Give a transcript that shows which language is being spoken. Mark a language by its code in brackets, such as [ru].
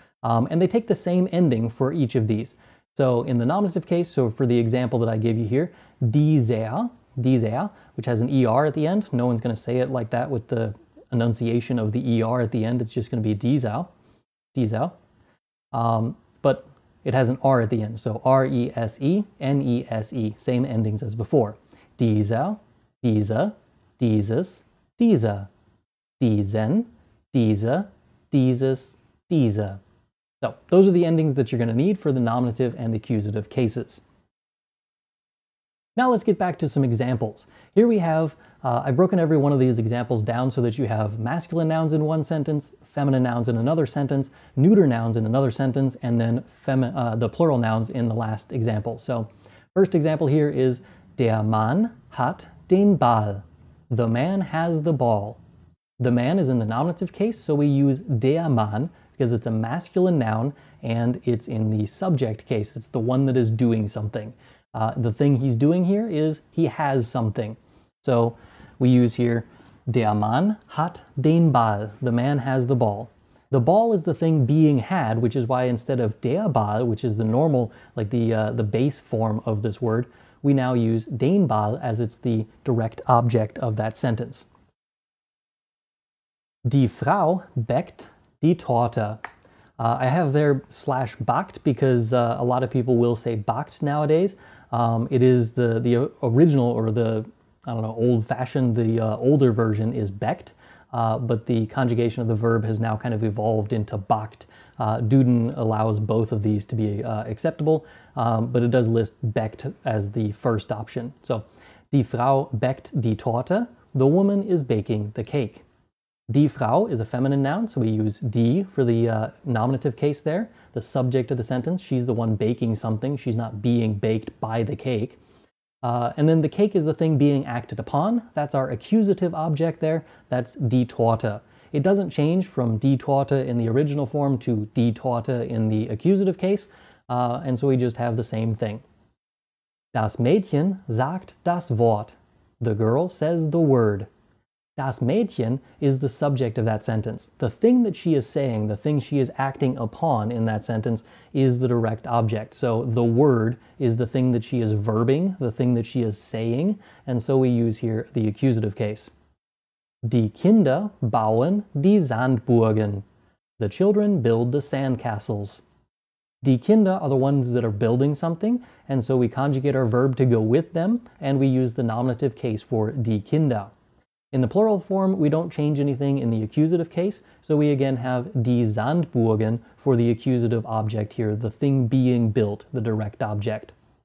[en] And they take the same ending for each of these. So in the nominative case, so for the example that I gave you here, dieser, which has an ER at the end. No one's going to say it like that with the enunciation of the ER at the end. It's just going to be dieser. But it has an R at the end. So R-E-S-E, N-E-S-E, same endings as before. [de] Dieser, diese, dieses, diese. Diesen, diese, dieses, diese. [en] So those are the endings that you're going to need for the nominative and accusative cases. Now let's get back to some examples. Here we have, I've broken every one of these examples down so that you have masculine nouns in one sentence, feminine nouns in another sentence, neuter nouns in another sentence, and then the plural nouns in the last example. So first example here is [de] der Mann hat den Ball. [en] The man has the ball. The man is in the nominative case, so we use der Mann, because it's a masculine noun and it's in the subject case. It's the one that is doing something. The thing he's doing here is he has something. So we use here, [de] der Mann hat den Ball. [en] The man has the ball. The ball is the thing being had, which is why instead of der Ball, which is the normal, like the base form of this word, we now use den Ball as it's the direct object of that sentence. [de] Die Frau backt die Torte. [en] I have there slash backt because a lot of people will say backt nowadays. It is the original or the, I don't know, old-fashioned, the older version is backt, but the conjugation of the verb has now kind of evolved into backt. Duden allows both of these to be acceptable, but it does list backt as the first option. [de] So, die Frau backt die Torte. [en] The woman is baking the cake. Die Frau is a feminine noun, so we use die for the nominative case there, the subject of the sentence. She's the one baking something. She's not being baked by the cake. And then the cake is the thing being acted upon. That's our accusative object there. That's die Torte. It doesn't change from die Torte in the original form to die Torte in the accusative case, and so we just have the same thing. [de] Das Mädchen sagt das Wort. [en] The girl says the word. Das Mädchen is the subject of that sentence. The thing that she is saying, the thing she is acting upon in that sentence, is the direct object. So the word is the thing that she is verbing, the thing that she is saying, and so we use here the accusative case. [de] Die Kinder bauen die Sandburgen. [en] The children build the sandcastles. Die Kinder are the ones that are building something, and so we conjugate our verb to go with them, and we use the nominative case for die Kinder. In the plural form, we don't change anything in the accusative case, so we again have die Sandburgen for the accusative object here, the thing being built, the direct object.